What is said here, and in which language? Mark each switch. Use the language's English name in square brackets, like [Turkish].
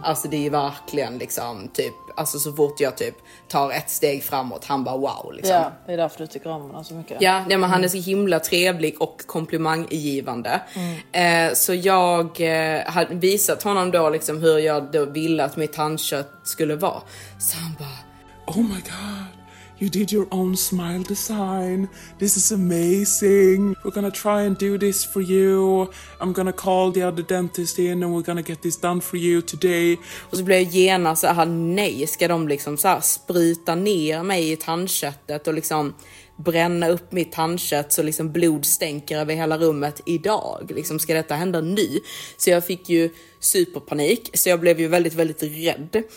[Swedish] Alltså det är ju verkligen liksom typ, alltså så fort jag typ tar ett steg framåt, han bara wow liksom. Ja, det är därför du tycker om honom så mycket. Ja, nej, men han är så himla trevlig och komplimanggivande. Mm. Så jag har visat honom då liksom hur jag då ville att mitt tandkött skulle vara. Så han bara, [English] oh my god, you did your own smile design. This is amazing. We're gonna try and do this for you. I'm gonna call the other dentist in and we're gonna get this done for you today. [Swedish] Och så blev jag genast så här, nej, ska de liksom så här spruta ner mig i tandköttet och liksom bränna upp mitt tandkött så liksom blod stänker över hela rummet idag? Liksom, ska detta hända nu? Så jag fick ju superpanik, så jag blev ju väldigt, väldigt rädd.